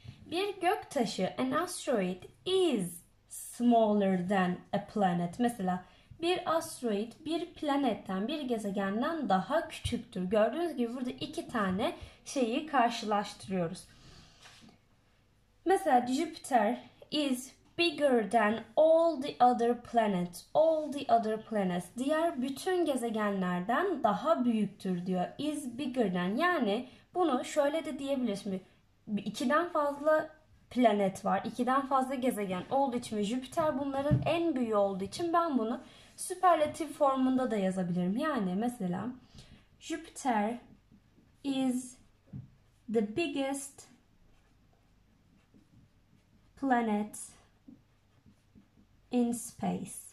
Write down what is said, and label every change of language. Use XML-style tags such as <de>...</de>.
<tr>Bir göktaşı,</tr> <en>an asteroid is smaller than a planet.</en> <tr>Mesela bir asteroid bir planetten, bir gezegenden daha küçüktür. Gördüğünüz gibi burada iki tane şeyi karşılaştırıyoruz. Mesela Jupiter is bigger than all the other planets.</tr> <en>All the other planets.</en> <tr>Diğer bütün gezegenlerden daha büyüktür diyor.</tr> <en>Is bigger than.</en> <tr>Yani bunu şöyle de diyebiliriz mi? 2'den fazla planet var. 2'den fazla gezegen olduğu için ve Jüpiter bunların en büyüğü olduğu için ben bunu superlative formunda da yazabilirim. Yani mesela</tr> <en>Jupiter is the biggest planet in space.</en>